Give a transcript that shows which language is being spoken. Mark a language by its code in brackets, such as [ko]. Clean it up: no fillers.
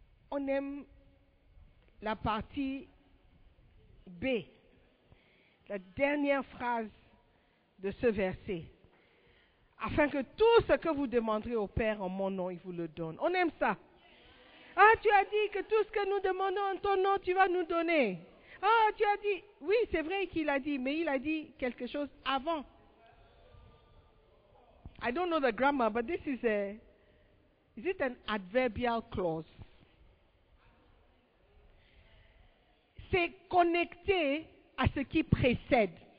[fr] On aime la partie B, la dernière phrase de ce verset. Afin que tout ce que vous demanderez au Père en mon nom, il vous le donne. On aime ça. Ah, tu as dit que tout ce que nous demandons en ton nom, tu vas nous donner. Ah, tu as dit, oui, c'est vrai qu'il a dit, mais il a dit quelque chose avant. [en] I don't know the grammar, but this is a, is it an adverbial clause? [fr] C'est connecté à ce qui précède.